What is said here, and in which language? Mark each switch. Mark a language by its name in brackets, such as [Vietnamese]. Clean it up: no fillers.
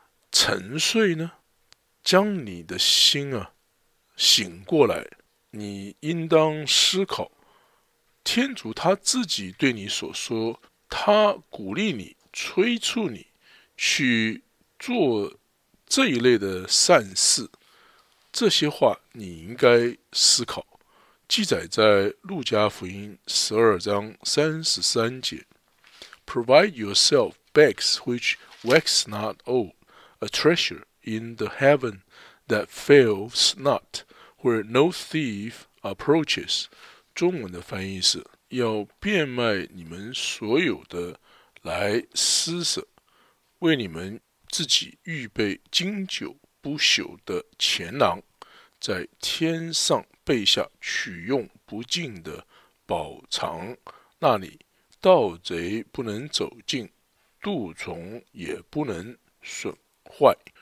[Chinese] 沉睡呢，将你的心啊醒过来，你应当思考天主他自己对你所说，他鼓励你，催促你去做这一类的善事，这些话你应该思考，记载在路加福音12章33节。 [English] Provide yourself bags which wax not old, a treasure in the heaven that fails not, where no thief approaches. [Chinese] 中文的翻译是，要变卖你们所有的来施舍，为你们自己预备经久不朽的钱囊，在天上备下取用不尽的宝藏，那里盗贼不能走进，蠹虫也不能损坏。